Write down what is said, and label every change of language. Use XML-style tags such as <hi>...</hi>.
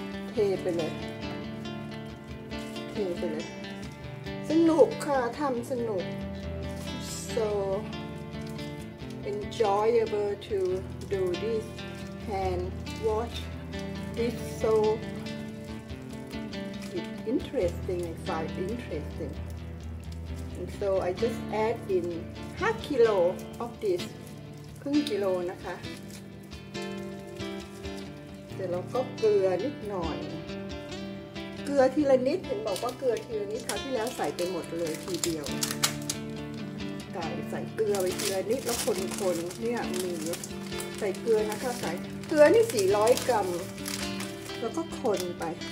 <th>เทไปเลยสนุกค่ะทำสนุก</th> <en>so enjoyable to do this hand wash it soInteresting, I find interesting. And so I just add in 5 kilo of this.</en> <th>ครึ่งกิโลนะคะเดี๋ยวเราก็เกลือนิดหน่อยเกลือทีละนิดเห็นบอกว่าเกลือทีละนิดคราวที่แล้วใส่ไปหมดเลยทีเดียวใส่เกลือไปทีละนิดแล้วคนๆเนี่ยมีใส่เกลือนะคะใส่เกลือนี่400กรัมแล้วก็คนไป</th>